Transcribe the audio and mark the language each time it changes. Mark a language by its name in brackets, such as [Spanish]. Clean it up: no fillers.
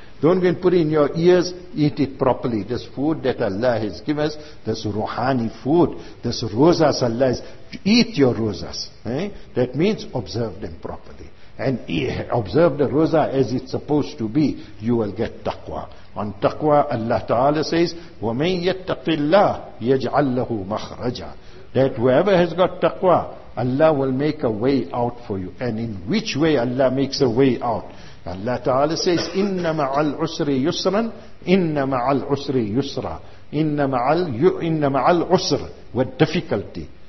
[English] Don't go and put it in your ears. Eat it properly. This food that Allah has given us, this ruhani food, this rozas Allah has, eat your rozas. That means observe them properly. And observe the roza as it's supposed to be. You will get taqwa. On taqwa, Allah Ta'ala says, [Arabic] وَمَنْ يَتَّقِ اللَّهِ يَجْعَلْ لَهُ مَخْرَجًا. [English] That whoever has got taqwa, Allah will make a way out for you. And in which way Allah makes a way out? Allah Ta'ala says, [Arabic] إِنَّ مَعَ الْعُسْرِ يُسْرًا إِنَّ مَعَ الْعُسْرِ يُسْرًا إِنَّ مَعَ الْعُسْرِ [English] with difficulty.